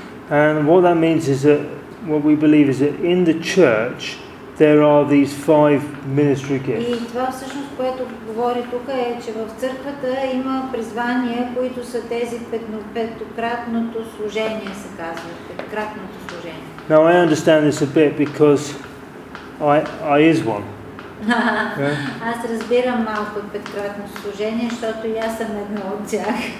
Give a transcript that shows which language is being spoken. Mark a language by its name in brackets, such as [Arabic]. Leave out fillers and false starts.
[English] And what that means is that, what we believe is that in the church, there are these five ministry gifts. [Bulgarian] И това всъщност, което говори тук е, че в църквата има призвания, които са тези петократното служение, се казва, петократното служение. [English] Now I understand this a bit because I is one. [Bulgarian] Аз разбирам малко от петократно служение, защото и аз съм едно от тях.